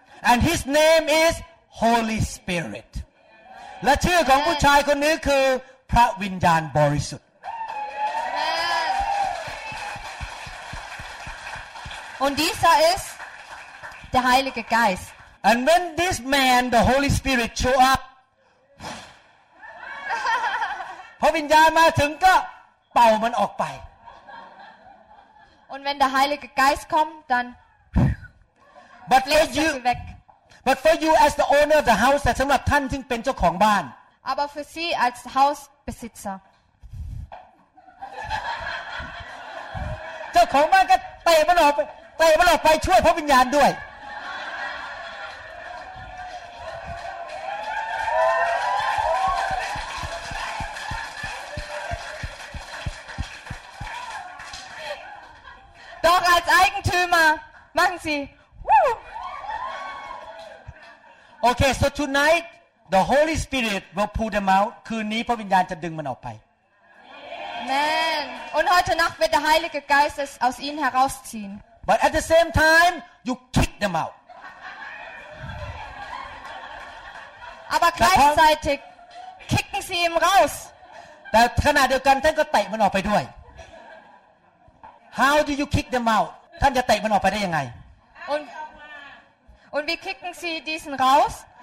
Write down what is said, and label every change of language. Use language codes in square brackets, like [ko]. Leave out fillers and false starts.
[en] And his name is Holy Spirit [th] และชื่อของผู้ชายคนนี้คือพระวิญญาณบริสุทธิ์ [de] Und dieser ist der Heilige Geist [en] And when this man the Holy Spirit show up [th] พระวิญญาณมาถึงก็เป่ามันออกไป [de] Und wenn der Heilige Geist kommt, dann bläst er sie weg. [en] But for you as the owner of the house, that's [th] สำหรับท่านซึ่งเป็นเจ้าของบ้าน [de] Aber für Sie als Hausbesitzer. [th] เจ้าของบ้านก็เตะมันออกไปช่วยพระวิญญาณด้วย [de] Doch als Eigentümer machen Sie. Woo! [en] Okay, so tonight the Holy Spirit will pull them out. [th] คืนนี้พระวิญญาณจะดึงมันออกไป [en] Amen. [de] Und heute Nacht wird der Heilige Geist es aus ihnen herausziehen. [en] But at the same time, you kick them out. [de] Aber gleichzeitig kicken Sie ihn raus. [th] แต่ขณะเดียวกันท่านก็เตะมันออกไปด้วย [en] How do you kick them out? [th] ท่านจะเตะมันออกไปได้ยังไง [de] Und wie kicken Sie diesen raus?